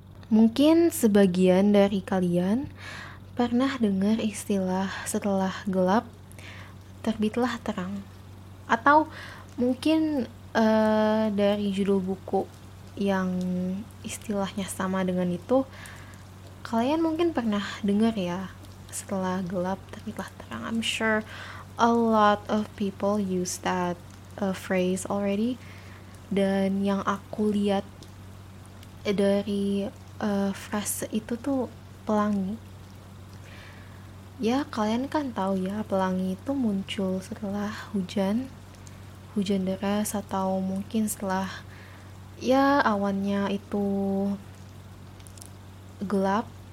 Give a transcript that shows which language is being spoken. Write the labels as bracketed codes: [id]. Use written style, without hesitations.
[id] Mungkin sebagian dari kalian pernah dengar istilah setelah gelap, terbitlah terang. Atau mungkin dari judul buku yang istilahnya sama dengan itu, kalian mungkin pernah dengar ya, setelah gelap, terbitlah terang. [en] I'm sure a lot of people use that phrase already. [id] Dan yang aku lihat dari frase itu tuh pelangi. Ya, kalian kan tahu ya, pelangi itu muncul setelah hujan, hujan deras, atau mungkin setelah ya awannya itu gelap.